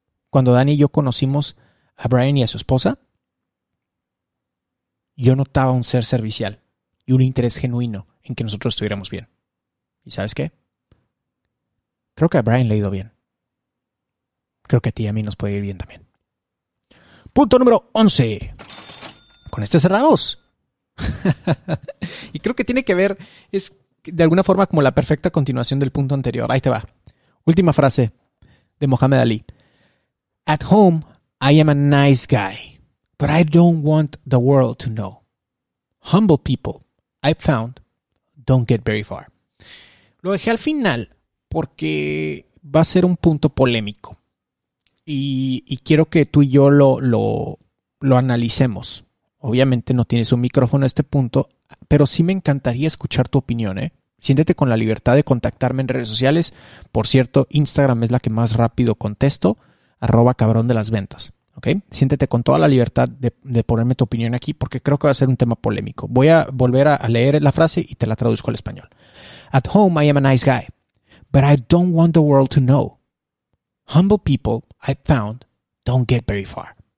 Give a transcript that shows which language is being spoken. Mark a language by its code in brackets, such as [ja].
[es] Cuando Dani y yo conocimos a Brian y a su esposa, yo notaba un ser servicial y un interés genuino en que nosotros estuviéramos bien. ¿Y sabes qué? Creo que a Brian le ha ido bien. Creo que a ti y a mí nos puede ir bien también. Punto número 11. Con este cerramos. Y creo que tiene que ver, es de alguna forma como la perfecta continuación del punto anterior. Ahí te va. Última frase de Mohamed Ali. [en] At home, I am a nice guy, but I don't want the world to know. Humble people, I've found, don't get very far. [es] Lo dejé al final porque va a ser un punto polémico y quiero que tú y yo lo analicemos. Obviamente no tienes un micrófono a este punto, pero sí me encantaría escuchar tu opinión, ¿eh? Siéntete con la libertad de contactarme en redes sociales. Por cierto, Instagram es la que más rápido contesto, @cabrondelasventas. ¿Okay? Siéntete con toda la libertad de ponerme tu opinión aquí porque creo que va a ser un tema polémico. Voy a volver a leer la frase y te la traduzco al español. [en] At home, I am a nice guy, but I don't want the world to know. Humble people, I found, don't get very far.